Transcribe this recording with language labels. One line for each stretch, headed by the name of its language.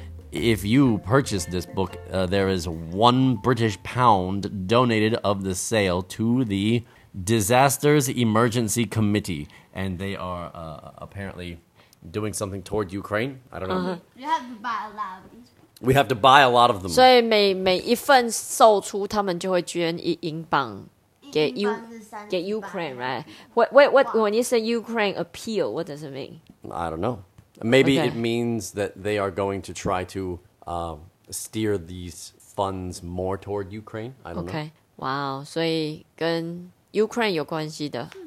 English: If you purchase this book, there is £1 donated of the sale to the Disasters Emergency Committee. And they are apparently doing something toward Ukraine. I don't know. You have to buy a lot of these books. We have to buy a lot of them.
Chinese: 所以每一份售出，他们就会捐一英镑。给
English: Ukraine, right? What, when you say Ukraine appeal, what does it mean? I don't know. Maybe okay. It means that they are going to try to steer these funds more toward Ukraine. I don't okay. know. Okay. Wow.
Chinese: 所以跟 Ukraine 有关系的。